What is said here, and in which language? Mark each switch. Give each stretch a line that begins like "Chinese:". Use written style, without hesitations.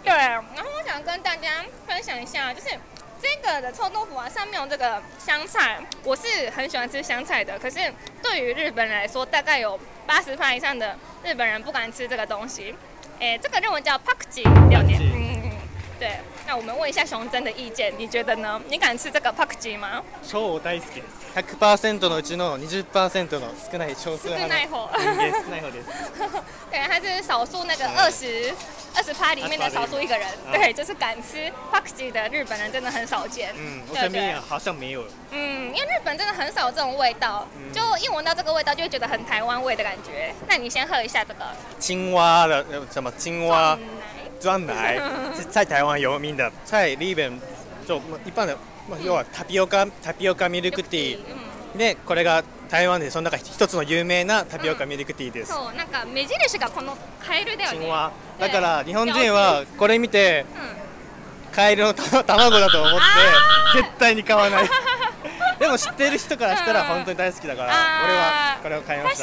Chinese: 对，然后我想跟大家分享一下，就是这个的臭豆腐啊，上面有这个香菜，我是很喜欢吃香菜的。可是对于日本人来说，大概有80%以上的日本人不敢吃这个东西。这个日文叫 Pakji，了解。对，那我们问一下熊真的意见，你觉得呢？你敢吃这个 Pakji 吗？
Japanese: 超大好きです。 100% のうちの 20% の少ない少数派。少ない方です。
Chinese: 对，他是少数那个20%里面的少数一个人。对，就是敢吃 Pakji 的日本人真的很少见。嗯，我身边好像没有。嗯，因为日本真的很少这种味道，就一闻到这个味道就会觉得很台湾味的感觉。那你先喝一下这个。青蛙的什么青蛙？酸奶是在台湾有名的，在日本就一般的，要タピオカ、タピオカミルクティー。
Japanese: で、これが台湾でその中一つの有名なタピオカミルクティーです。そう、なんか目印がこのカエルだよね。
Chinese: 青蛙。
Japanese: だから日本人はこれ見て、カエルの卵だと思って絶対に買わない。でも知ってる人からしたら本当に大好きだから、俺はこれを買いました。